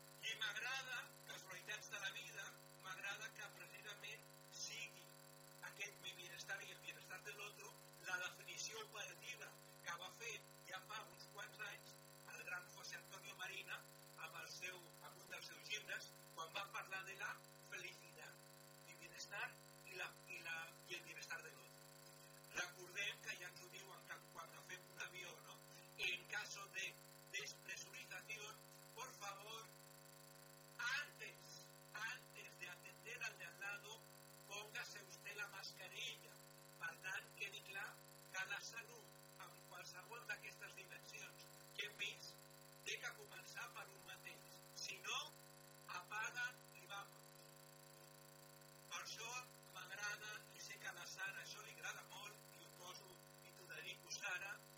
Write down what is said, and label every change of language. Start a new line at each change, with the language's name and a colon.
Catalan: I m'agrada, casualitats de la vida, m'agrada que precisament sigui aquest mi benestar i el benestar de l'altre la definició operativa que va fer ja fa uns quants anys el gran José Antonio Marina amb un dels seus llibres, quan va parlar de la felicitat, el benestar i el benestar de l'altre. Recordem que ja ens ho diuen quan fem un avió, no?
Spanish: En caso de despresurització, por favor, antes de atender al de al lado, póngase usted la mascarilla.
Catalan: Per tant, quedi clar que la salut, en qualsevol d'aquestes dimensions que hem vist, té que començar per un mateix. Si no, apaga i va. Per això m'agrada, i sé que a la Sara això li agrada molt, i ho poso i t'ho dedico, Sara.